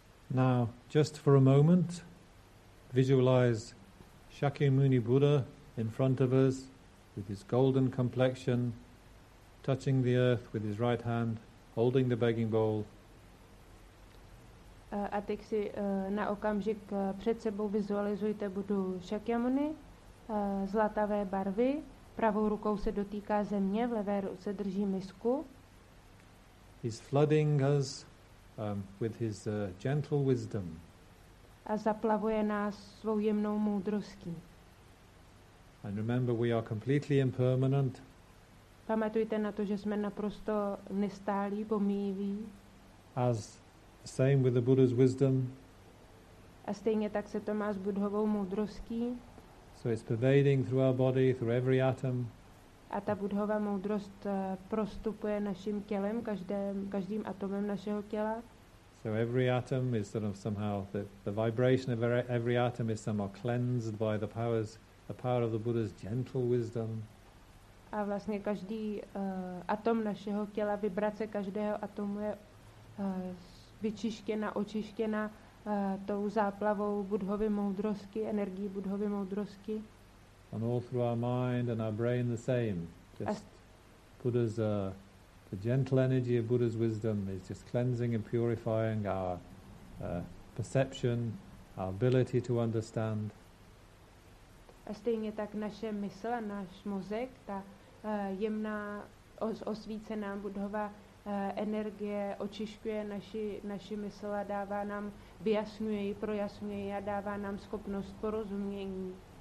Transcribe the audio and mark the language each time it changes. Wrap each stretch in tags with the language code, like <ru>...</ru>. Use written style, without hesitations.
<en>Now, just for a moment, visualize Shakyamuni Buddha in front of us with his golden complexion, touching the earth with his right hand, holding the begging bowl.</en> <cs>A teď si na okamžik před sebou vizualizujte Budu Shakyamuni, zlatavé barvy, pravou rukou se dotýká země, v levé ruce drží misku.</cs> <en>He's flooding us with his gentle wisdom.</en> <cs>A zaplavuje nás svou jemnou moudrostí.</cs> <en>And remember, we are completely impermanent.</en> <cs>Pamatujte na to, že jsme naprosto nestálí, pomíjiví.</cs> <en>As same with the Buddha's wisdom.</en> <cs>A stejně tak se to má s Buddhovou moudrostí.</cs> <en>So it's pervading through our body, through every atom.</en> <cs>A ta Buddhova moudrost prostupuje naším tělem, každým atomem našeho těla.</cs> <en>So every atom is sort of somehow the vibration of every atom is somehow cleansed by the power of the Buddha's gentle wisdom.</en> <cs>A vlastně každý atom našeho těla, vibrace každého atomu je vyčištěna, očištěna tou záplavou Buddhovy moudrosti, energií Buddhovy moudrosti.</cs> <en>And all through our mind and our brain the same. Just Buddha's, the gentle energy of Buddha's wisdom is just cleansing and purifying our perception, our ability to understand.</en> <cs>A stejně tak naše mysl a náš mozek, ta jemná osvícená Buddhova energie očišťuje naši mysl a dává nám, vyjasňuje ji, projasňuje ji a dává nám schopnost porozumění.</cs>